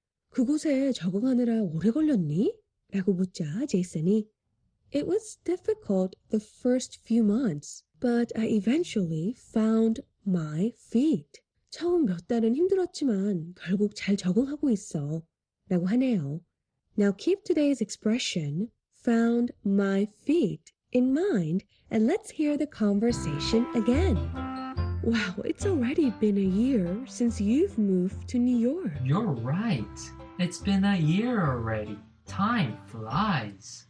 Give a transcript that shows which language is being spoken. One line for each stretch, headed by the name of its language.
Korean: 그곳에 적응하느라 오래 걸렸니? 라고 묻자 제이슨이
English: It was difficult the first few months, but I eventually found my feet.
Korean: 처음 몇 달은 힘들었지만 결국 잘 적응하고 있어. 라고 하네요.
English: Now keep today's expression, found my feet, in mind, and let's hear the conversation again. Wow, it's already been a year since you've moved to New York. You're right. It's been a year already. Time flies.